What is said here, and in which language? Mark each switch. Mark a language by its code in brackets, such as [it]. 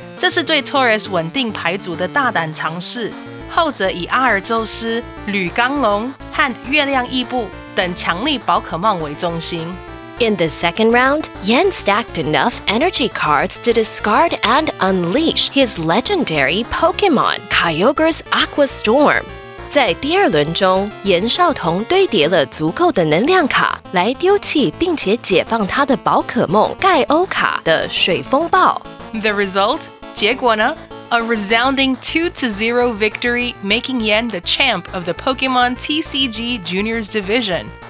[zh] 這是對Torres穩定牌組的大膽嘗試，後者以阿爾宙斯、鋁鋼龍和月亮伊布等強力寶可夢為中心。 [en] In the second round, Yen stacked enough energy cards to discard and unleash his legendary Pokemon, Kyogre's Aqua Storm. [zh] 在第二輪中，顏紹同堆疊了足夠的能量卡，來丟棄並且解放他的寶可夢蓋歐卡的水風暴。 [en] The result? [zh] 结果呢? [en] A resounding 2-0 victory, making Yen the champ of the Pokemon TCG Juniors division.